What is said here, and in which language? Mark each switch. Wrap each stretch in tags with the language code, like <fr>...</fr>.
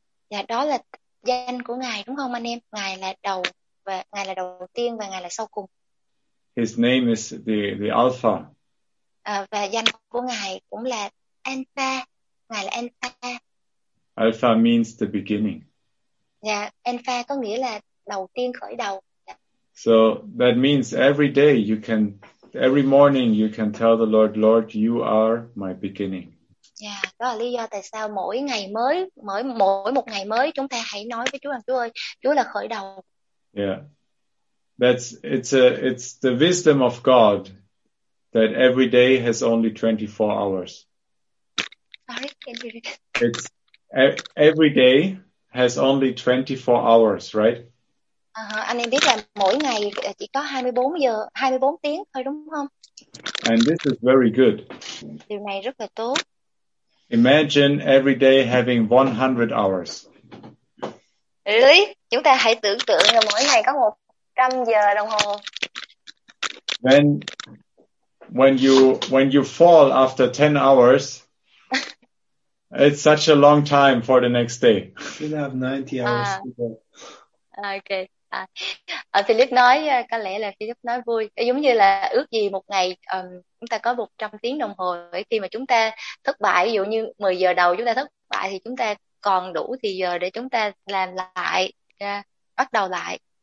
<vi>Dạ, đó là danh của Ngài đúng không anh em? Ngài là đầu và Ngài là đầu tiên và Ngài là sau cùng.</vi> <en>His name is the Alpha.</en> <vi>Và danh của Ngài cũng là Alpha. Ngài là Alpha.</vi> <en>Alpha means the beginning.</en> <vi>Dạ, Alpha có nghĩa là đầu tiên, khởi đầu.</vi> <en>So that means every day you can, every morning you can tell the Lord, Lord, you are my beginning.</en> <vi>Yeah, đó là lý do tại sao mỗi ngày mới, mỗi một ngày mới chúng ta hãy nói với Chúa rằng Chúa ơi, Chúa là khởi đầu.</vi> <en>Yeah, it's the wisdom of God that every day has only 24 hours. Sorry, can you read it? It's every day has only 24 hours, right?</en> <vi>Anh em biết là mỗi ngày chỉ có 24 giờ, 24 tiếng thôi đúng không?</vi> <en>And this is very good.</en> <vi>Điều này rất là tốt.</vi> <en>Imagine every day having 100 hours. Really?</en> <vi>Chúng ta hãy tưởng tượng là mỗi ngày có 100 giờ đồng hồ.</vi> <en>Then when you fall after 10 hours, it's such a long time for the next day. You'll have 90 hours. Okay.</en> <vi>Philip nói, có lẽ là Philip nói vui. Giống như là ước gì một ngày chúng ta có 100 tiếng đồng hồ. Khi mà chúng ta thất bại, ví dụ như 10 giờ đầu chúng ta thất bại, thì chúng ta còn đủ thì giờ để chúng ta làm lại, bắt đầu lại.</vi>